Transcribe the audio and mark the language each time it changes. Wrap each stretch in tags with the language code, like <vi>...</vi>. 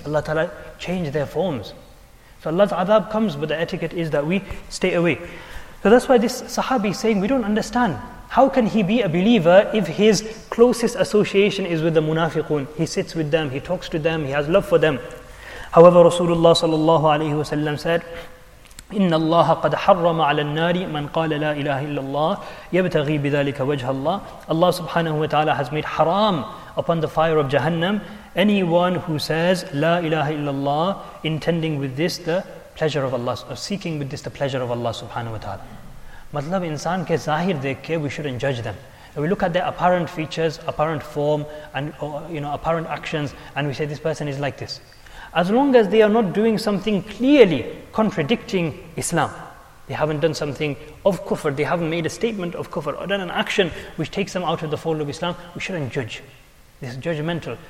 <en>Allah ta'ala changed their forms. So Allah's adab comes, but the etiquette is that we stay away. So that's why this sahabi is saying, we don't understand. How can he be a believer if his closest association is with the munafiqun? He sits with them, he talks to them, he has love for them. However, Rasulullah sallallahu alayhi wa sallam said,</en> <ar>إن الله قد حرم على النار من قال لا إله إلا الله يبتغي بذلك وجه الله.</ar> <en>Allah سبحانه وتعالى has made haram upon the fire of Jahannam anyone who says</en> <ar>لا إله إلا الله</ar> <en>intending with this the pleasure of Allah, or seeking with this the pleasure of Allah سبحانه وتعالى.</en> <ur>مطلب انسان کے ظاہر دیکھ کے</ur> <en>we shouldn't judge them. We look at their apparent features, apparent form, and you know, apparent actions, and we say this person is like this. As long as they are not doing something clearly contradicting Islam, they haven't done something of kufr, they haven't made a statement of kufr, or done an action which takes them out of the fold of Islam, we shouldn't judge. This is judgmental.</en>